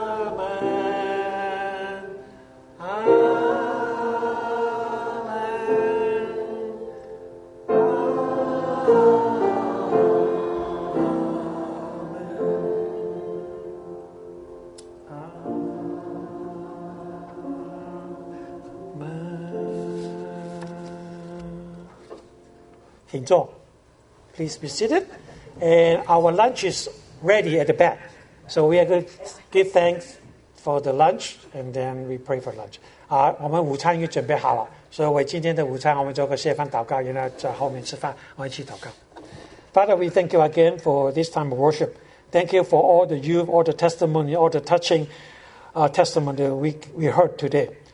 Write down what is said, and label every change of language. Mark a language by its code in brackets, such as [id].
[en] Amen. Amen. Amen. Amen. [zh] 请坐 [en] please be seated. And our lunch is ready at the back. So we are going to give thanks for the lunch, and then we pray for lunch. [zh] 我们午餐已经准备好了，所以为今天的午餐我们做个谢饭祷告，然后在后面吃饭，我们一起祷告。 [en] Father, we thank you again for this time of worship. Thank you for all the youth, all the testimony, all the touching testimony we heard today.